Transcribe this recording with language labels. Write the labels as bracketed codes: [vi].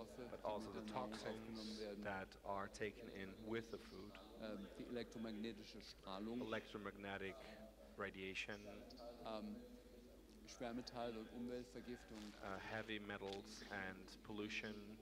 [en] but also the toxins that are taken in with the food, electromagnetic radiation, [de] Schwermetalle und Umweltvergiftung, [en] heavy metals and pollution,